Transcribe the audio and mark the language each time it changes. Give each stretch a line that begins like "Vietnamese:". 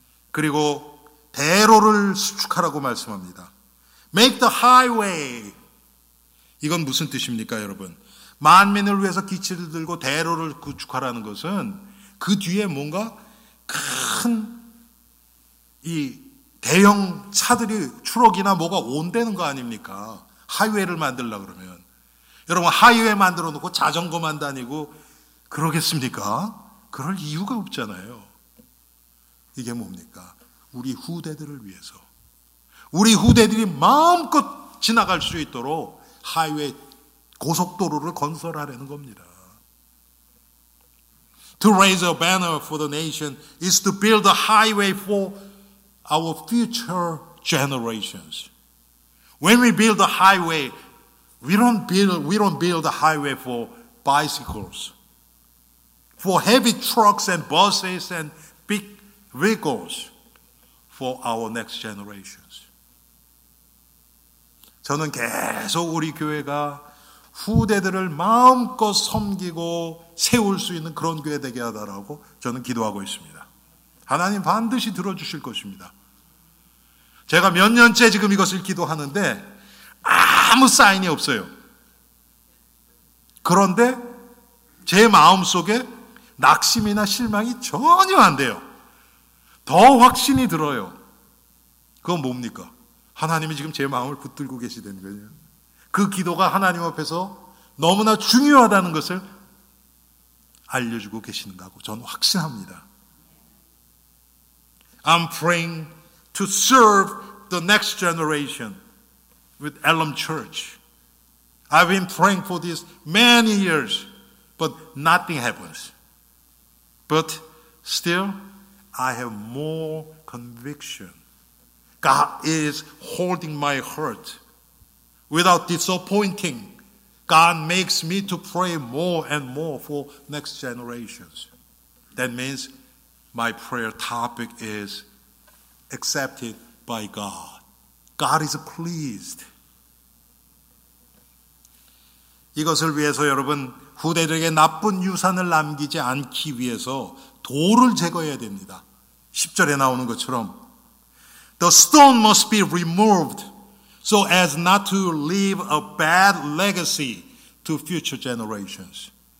Korean: 그리고 대로를 수축하라고 말씀합니다.
English: Make the highway.
Korean: 이건 무슨 뜻입니까, 여러분? 만민을 위해서 기치를 들고 대로를 구축하라는 것은 그 뒤에 뭔가 큰 이 대형 차들이 트럭이나 뭐가 온다는 거 아닙니까? 하이웨이를 만들려고 그러면. 여러분, 하이웨이 만들어 놓고 자전거만 다니고 그러겠습니까? 그럴 이유가 없잖아요. 이게 뭡니까? 우리 후대들을 위해서. 우리 후대들이 마음껏 지나갈 수 있도록 하이웨이 고속도로를 건설하라는 겁니다.
English: To raise a banner for the nation is to build a highway for our future generations. When we build a highway, we don't build a highway for bicycles, for heavy trucks and buses and big vehicles, for our next generations.
Korean: 저는 계속 우리 교회가 후대들을 마음껏 섬기고 세울 수 있는 그런 교회 되게 하라고 저는 기도하고 있습니다. 하나님 반드시 들어주실 것입니다. 제가 몇 년째 지금 이것을 기도하는데 아무 사인이 없어요. 그런데 제 마음속에 낙심이나 실망이 전혀 안 돼요. 더 확신이 들어요. 그건 뭡니까? 하나님이 지금 제 마음을 붙들고 계시다는 거예요. 그 기도가 하나님 앞에서 너무나 중요하다는 것을 알려주고 계신다고 저는 확신합니다.
English: I'm praying to serve the next generation with Elam Church. I've been praying for this many years, but nothing happens. But still, I have more conviction. God is holding my heart. Without disappointing, God makes me to pray more and more for next generations. That means my prayer topic is accepted by God. God is pleased.
Korean: 이것을 위해서 여러분, 후대들에게 나쁜 유산을 남기지 않기 위해서 돌을 제거해야 됩니다. 10절에 나오는 것처럼
English: The stone must be removed. So as not to leave a bad legacy to future generations.